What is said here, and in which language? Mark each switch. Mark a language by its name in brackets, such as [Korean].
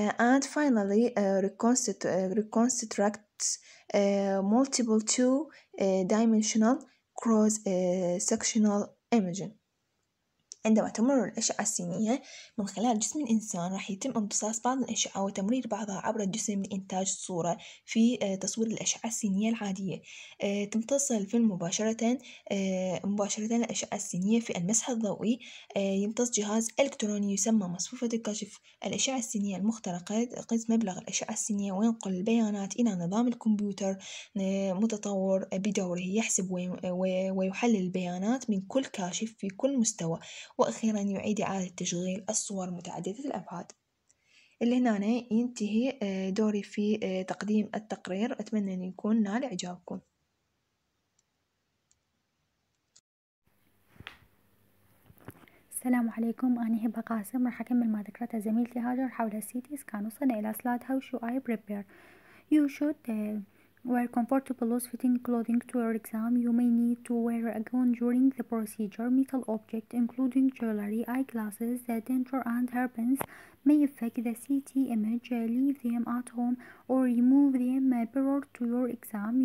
[English] And finally, reconstructs multiple two-dimensional cross-sectional imaging. [Arabic] عندما تمر الأشعة السينية من خلال جسم الإنسان، راح يتم امتصاص بعض الأشعة وتمرير بعضها عبر الجسم لإنتاج الصورة في تصوير الأشعة السينية العادية. تمتص الفيلم مباشرة الأشعة السينية في المسح الضوئي. يمتص جهاز إلكتروني يسمى مصفوفة الكشف الأشعة السينية المخترقة قيس مبلغ الأشعة السينية وينقل البيانات إلى نظام الكمبيوتر متطور بدوره يحسب ويحلل البيانات من كل كاشف في كل مستوى، وأخيراً يعيد إعادة تشغيل الصور متعددة الأبعاد. اللي هنا ينتهي دوري في تقديم التقرير، أتمنى أن يكون نال إعجابكم. السلام عليكم، أنا هبة قاسم، رح أكمل ما ذكرتها زميلتي هاجر حول السيتي سكان. وصلنا إلى [English] Slide how should I prepare. You should wear comfortable loose fitting clothing to your exam. You may need to wear a gown during the procedure. Metal objects including jewelry, eyeglasses, the denture and hairpins may affect the CT image. Leave them at home or remove them prior to your exam.